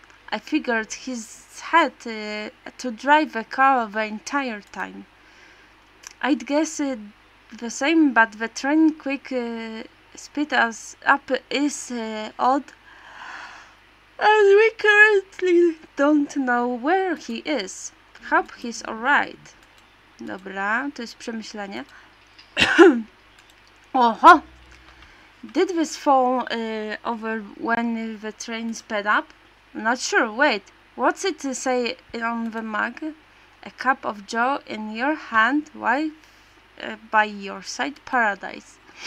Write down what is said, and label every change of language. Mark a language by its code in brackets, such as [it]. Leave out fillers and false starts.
[en] I figured he's had to drive the car the entire time. I'd guess the same, but the train quick speed us up is odd. And we currently don't know where he is. Hope he's alright. [pl] Dobra, to jest przemyślenie. Oho! [en] Did this fall over when the train sped up? Not sure, wait. What's it to say on the mug? A cup of joe in your hand, wife by your side, paradise.